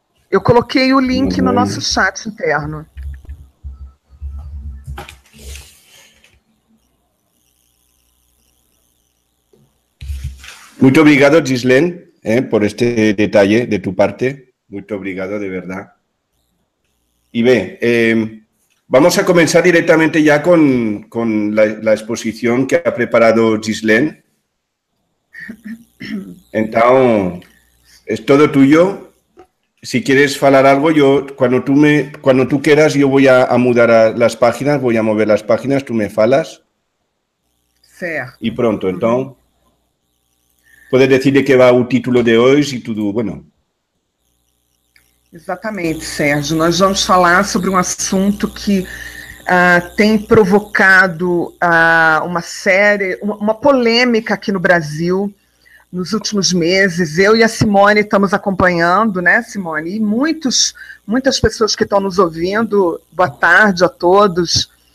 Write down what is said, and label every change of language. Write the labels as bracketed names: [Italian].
[Portuguese] Eu coloquei o link no nosso chat interno. Muito obrigado, Gislen, por este detalhe de tu parte. Muito obrigado, de verdade. [Spanish] Y bien, vamos a comenzar directamente ya con la exposición que ha preparado Gislen. Entonces, es todo tuyo. Si quieres hablar algo, yo cuando tú quieras, yo voy a mudar las páginas, voy a mover las páginas, [Portuguese] tú me falas. Certo. [Spanish] Y pronto, entonces. Puedes decir de qué va el título de hoy, si tú, bueno... [Portuguese] Exatamente, Sérgio. Nós vamos falar sobre um assunto que tem provocado uma série, uma polêmica aqui no Brasil nos últimos meses. Eu e a Simone estamos acompanhando, né, Simone? E muitas pessoas que estão nos ouvindo, boa tarde a todos.